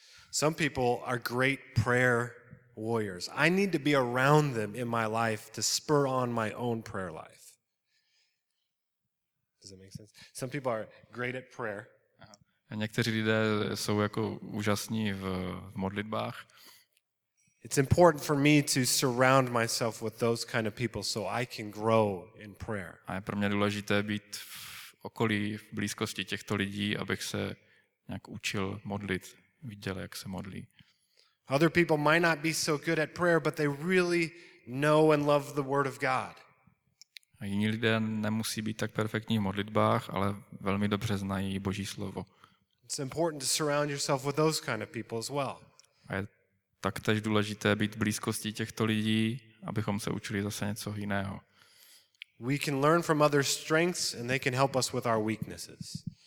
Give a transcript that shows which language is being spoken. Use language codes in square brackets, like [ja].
[en] Some people are great prayer warriors. I need to be around them in my life to spur on my own prayer life. Does that make sense? Some people are great at prayer. [cs] A někteří lidé jsou jako úžasní v modlitbách. [en] It's important for me to surround myself with those kind of people so I can grow in prayer. [cs] A je pro mě důležité být v okolí, v blízkosti těchto lidí, abych se nějak učil modlit, viděl, jak se modlí. [en] Other people might not be so good at prayer, but they really know and love the Word of God. [cs] A jiní lidé nemusí být tak perfektní v modlitbách, ale velmi dobře znají Boží slovo. [en] It's important to surround yourself with those kind of people as well. [cs] A je taktéž důležité být v blízkosti těchto lidí, abychom se učili zase něco jiného. [en] We can learn from other strengths and they can help us with our weaknesses.